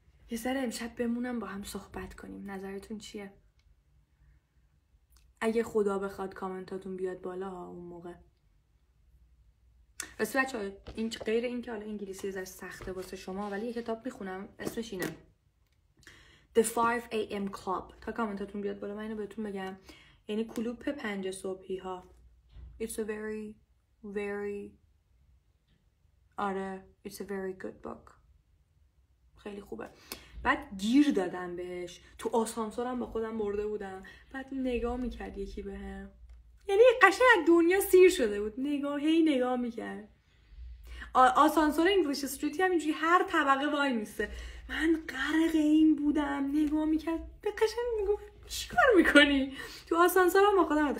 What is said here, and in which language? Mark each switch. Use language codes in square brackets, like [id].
[fa] یه سر امشب بمونم با هم صحبت کنیم. نظرتون چیه؟ اگه خدا بخواد کامنتاتون بیاد بالا ها اون موقع. بس بچه ها غیر این که حالا انگلیسی زرش سخته واسه شما ولی یه کتاب میخونم اسمش اینه The 5 AM Club. تا کامنتاتون بیاد بالا من اینو بهتون بگم. یعنی کلوپ 5 صبحی ها. [en] It's a very very it's a very good book. [fa] خیلی خوبه. بعد گیر دادم بهش. تو آسانسورم با خودم برده بودم. بعد نگاه میکرد یکی به هم. یعنی قشنگ دنیا سیر شده بود. نگاه میکرد. آسانسور انگلیش استریتی هم اینجوری هر طبقه وای میسته. من غرق این بودم. نگاه میکرد. به قشنگ میگفت چی کار میکنی؟ تو آسانسورم با خودم بوده.